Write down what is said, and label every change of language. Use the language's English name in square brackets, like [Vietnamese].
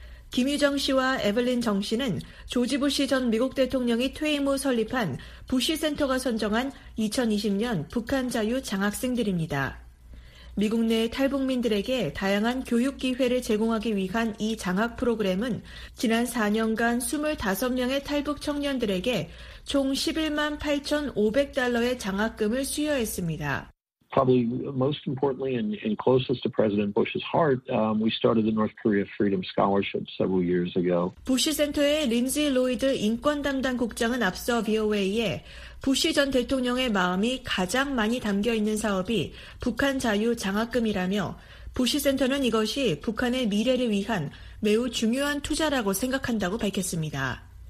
[Korean] 김유정 씨와 에벨린 정 씨는 조지 부시 전 미국 대통령이 퇴임 후 설립한 부시 센터가 선정한 2020년 북한 자유 장학생들입니다. 미국 내 탈북민들에게 다양한 교육 기회를 제공하기 위한 이 장학 프로그램은 지난 4년간 25명의 탈북 청년들에게 총 $118,500의 장학금을 수여했습니다. [English] Probably most importantly and closest to President Bush's heart, we started the North Korea Freedom Scholarship several years ago. [Korean] 부시 센터의 린지 로이드 인권 담당 국장은 앞서 VOA에 부시 전 대통령의 마음이 가장 많이 담겨 있는 사업이 북한 자유 장학금이라며 부시 센터는 이것이 북한의 미래를 위한 매우 중요한 투자라고 생각한다고 밝혔습니다.